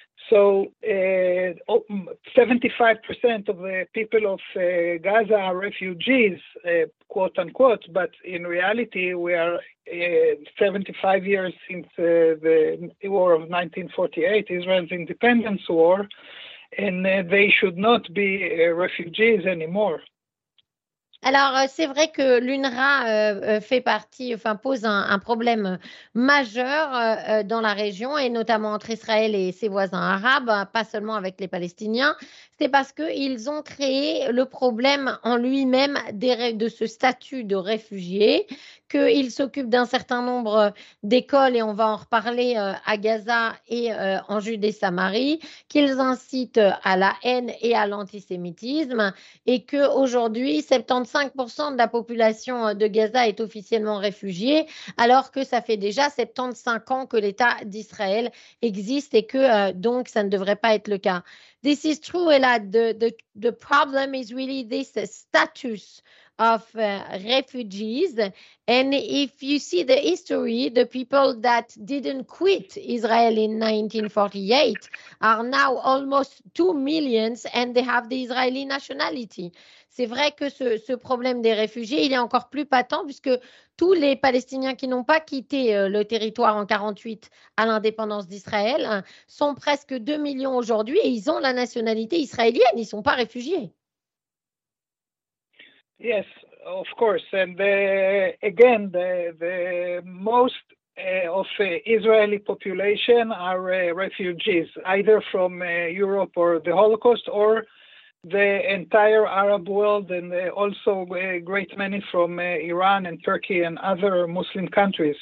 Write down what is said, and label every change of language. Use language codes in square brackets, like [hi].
[en] So 75% of the people of Gaza are refugees, quote unquote, but in reality, we are 75 years since the war of 1948, Israel's independence war, and they should not be refugees anymore. [fr] Alors, c'est vrai que l'UNRWA fait partie, enfin pose un problème majeur dans la région, et notamment entre Israël et ses voisins arabes, pas seulement avec les Palestiniens. C'est parce qu'ils ont créé le problème en lui-même de ce statut de réfugié, qu'ils s'occupent d'un certain nombre d'écoles, et on va en reparler à Gaza et en Judée-Samarie, qu'ils incitent à la haine et à l'antisémitisme, et qu'aujourd'hui, 75% de la population de Gaza est officiellement réfugiée, alors que ça fait déjà 75 ans que l'État d'Israël existe et que donc ça ne devrait pas être le cas. [en] This is true, Elad. The problem is really this status of refugees. And if you see the history, the people that didn't quit Israel in 1948 are now almost 2 million and they have the Israeli nationality. [fr] C'est vrai que ce problème des réfugiés, il est encore plus patent puisque tous les Palestiniens qui n'ont pas quitté le territoire en 48 à l'indépendance d'Israël sont presque 2 millions aujourd'hui et ils ont la nationalité israélienne, ils ne sont pas réfugiés. [en] Yes, of course. And again, the most of Israeli population are refugees, either from Europe or the Holocaust or the entire Arab world, and also a great many from Iran and Turkey and other Muslim countries.